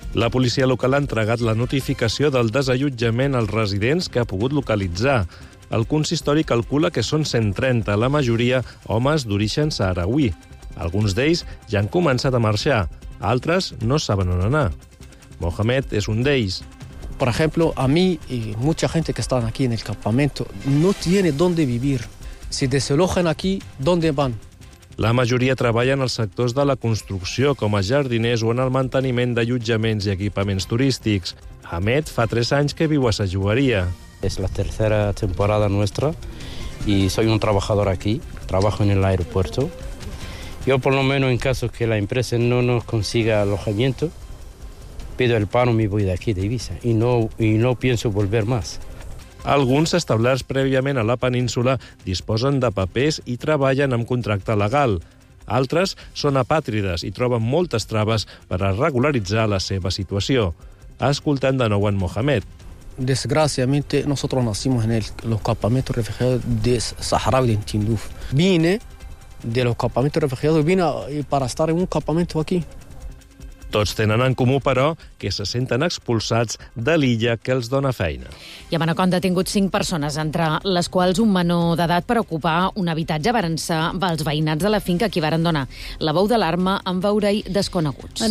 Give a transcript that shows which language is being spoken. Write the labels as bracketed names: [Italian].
[Catalan] La policia local ha entregat la notificació del desallotjament als residents que ha pogut localitzar. El consistori calcula que són 130, la majoria homes d'origen saharauí. Alguns d'ells ja han començat a marxar, altres no saben on anar. Mohamed és un d'ells. [Spanish] Por ejemplo, a mí y mucha gente que están aquí en el campamento no tiene dónde vivir. Si desalojan aquí, ¿dónde van? [Catalan] La majoria treballa en els sectors de la construcció, com a jardiners o en el manteniment d'allotjaments i equipaments turístics. Ahmed fa 3 anys que viu a Sa Joveria. [Spanish] Es la tercera temporada nuestra y soy un trabajador aquí, trabajo en el aeropuerto. Yo por lo menos en caso que la empresa no nos consiga alojamiento, pido el paro, me voy de aquí, de Eivissa, y no pienso volver más. [Catalan] Alguns establerts prèviament a la península disposen de papers i treballen amb contracte legal. Altres són apàtrides i troben moltes traves per a regularitzar la seva situació. Escoltant de nou en Mohamed. [Spanish] Desgraciadamente, nosotros nacimos en los campamentos refugiados de Sahara y de Tinduf. Vine de los campamentos refugiados, vine para estar en un campamento aquí. [Catalan] Tots tenen en comú, però, que se senten expulsats de l'illa que els dona feina. I a Manacor han detingut 5 persones, entre les quals un menor d'edat per ocupar un habitatge varen ser els veïnats de la finca qui varen donar la veu d'alarma amb veurei desconeguts.